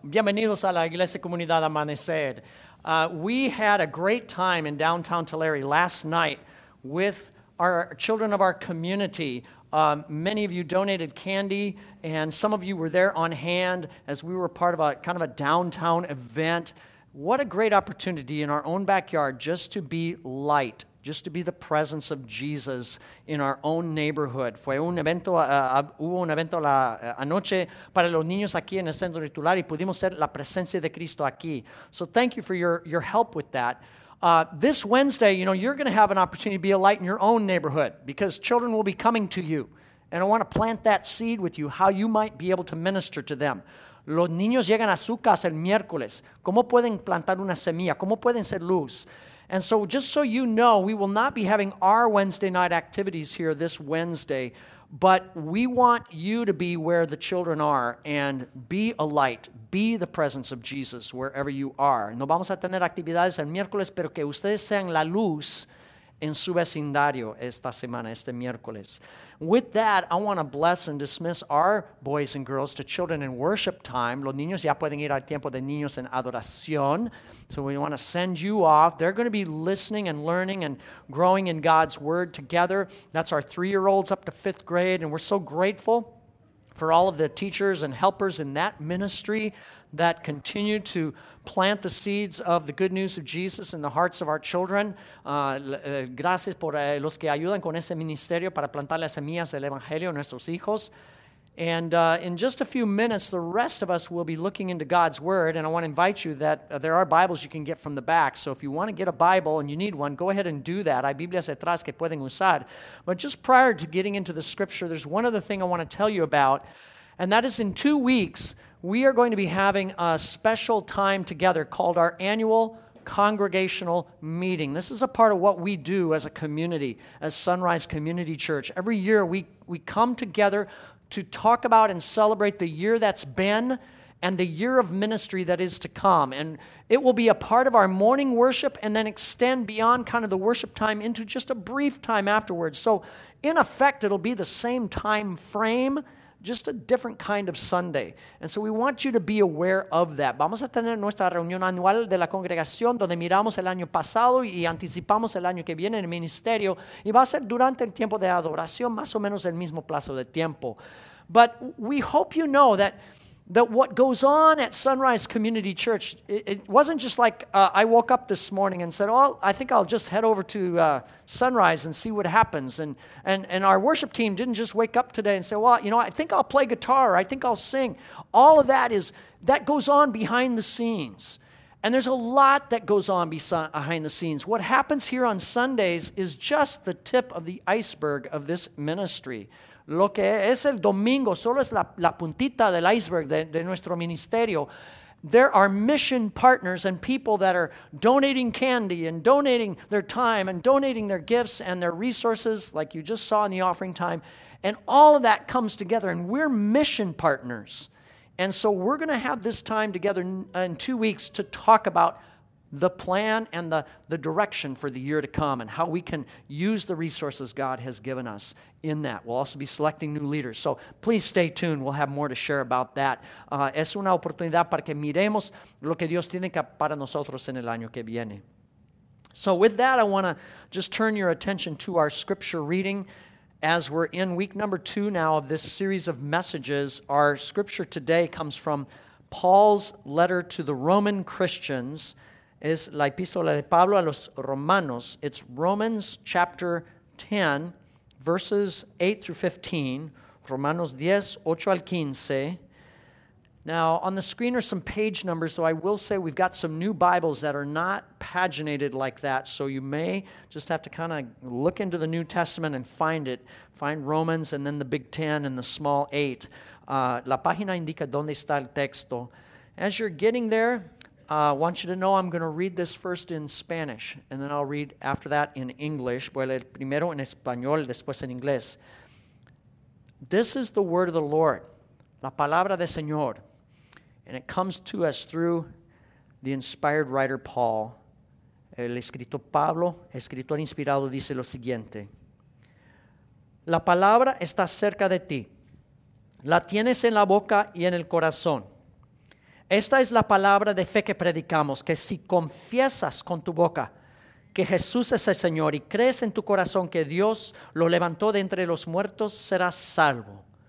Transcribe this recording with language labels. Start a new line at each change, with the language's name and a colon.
Spanish: Bienvenidos a la Iglesia Comunidad Amanecer.
English: We had a great time in downtown Tulare last night with our children of our community. Many of you donated candy, and some of you were there on hand as we were part of a kind of a downtown event. What a great opportunity in our own backyard just to be light, just to be the presence of Jesus in our own neighborhood.
Spanish: Hubo un evento la anoche para los niños aquí en el centro de Tulare y pudimos ser la presencia de Cristo aquí.
English: So thank you for your help with that. This Wednesday, you know, you're going to have an opportunity to be a light in your own neighborhood because children will be coming to you. And I want to plant that seed with you, how you might be able to minister to them.
Spanish: Los niños llegan a su casa el miércoles. ¿Cómo pueden plantar una semilla? ¿Cómo pueden ser luz?
English: And so just so you know, we will not be having our Wednesday night activities here this Wednesday, but we want you to be where the children are and be a light, be the presence of Jesus wherever you are.
Spanish: No vamos a tener actividades el miércoles, pero que ustedes sean la luz en su vecindario esta semana, este miércoles.
English: With that, I want to bless and dismiss our boys and girls to children in worship time.
Spanish: Los niños ya pueden ir al tiempo de niños en adoración.
English: So we want to send you off. They're going to be listening and learning and growing in God's word together. That's our three-year-olds up to fifth grade. And we're so grateful for all of the teachers and helpers in that ministry that continue to plant the seeds of the good news of Jesus in the hearts of our children.
Spanish: Gracias por los que ayudan con ese ministerio para plantar las semillas del evangelio en nuestros hijos.
English: And in just a few minutes, the rest of us will be looking into God's word, and I want to invite you that there are Bibles you can get from the back. So if you want to get a Bible and you need one, go ahead and do that.
Spanish: Hay Biblias detrás que pueden usar.
English: But just prior to getting into the scripture, there's one other thing I want to tell you about, and that is in 2 weeks, we are going to be having a special time together called our annual congregational meeting. This is a part of what we do as a community, as Sunrise Community Church. Every year we come together to talk about and celebrate the year that's been and the year of ministry that is to come. And it will be a part of our morning worship and then extend beyond kind of the worship time into just a brief time afterwards. So in effect, it'll be the same time frame, just a different kind of Sunday. And so we want you to be aware of that.
Spanish: Vamos a tener nuestra reunión anual de la congregación donde miramos el año pasado y anticipamos el año que viene en el ministerio. Y va a ser durante el tiempo de adoración, más o menos el mismo plazo de tiempo.
English: But we hope you know that what goes on at Sunrise Community Church, it wasn't just like I woke up this morning and said, "Oh, I think I'll just head over to Sunrise and see what happens." And our worship team didn't just wake up today and say, "Well, you know, I think I'll play guitar, or I think I'll sing." All of that is, that goes on behind the scenes. And there's a lot that goes on behind the scenes. What happens here on Sundays is just the tip of the iceberg of this ministry.
Spanish: Lo que es el domingo solo es la puntita del iceberg de nuestro ministerio.
English: There are mission partners and people that are donating candy and donating their time and donating their gifts and their resources, like you just saw in the offering time. And all of that comes together, and we're mission partners. And so we're going to have this time together in 2 weeks to talk about the plan and the direction for the year to come and how we can use the resources God has given us in that. We'll also be selecting new leaders. So please stay tuned. We'll have more to share about that.
Spanish: Es una oportunidad para que miremos lo que Dios tiene para nosotros en el año que viene.
English: So with that, I want to just turn your attention to our scripture reading. As we're in week number 2 now of this series of messages, our scripture today comes from Paul's letter to the Roman Christians.
Spanish: Es la epístola de Pablo a los Romanos.
English: It's Romans chapter 10, verses 8 through 15.
Spanish: Romanos 10, 8 al 15.
English: Now, on the screen are some page numbers, though I will say we've got some new Bibles that are not paginated like that, so you may just have to kind of look into the New Testament and find it. Find Romans and then the big 10 and the small 8.
Spanish: La página indica dónde está el texto.
English: As you're getting there, I want you to know I'm going to read this first in Spanish, and then I'll read after that in English.
Spanish: Voy a leer primero en español, después en inglés.
English: This is the word of the Lord,
Spanish: la palabra del Señor,
English: and it comes to us through the inspired writer Paul.
Spanish: El escritor Pablo, escritor inspirado, dice lo siguiente. La palabra está cerca de ti. La tienes en la boca y en el corazón. Esta es la palabra de fe que predicamos, que si confiesas con tu boca que Jesús es el Señor y crees en tu corazón que Dios lo levantó de entre los muertos, serás salvo.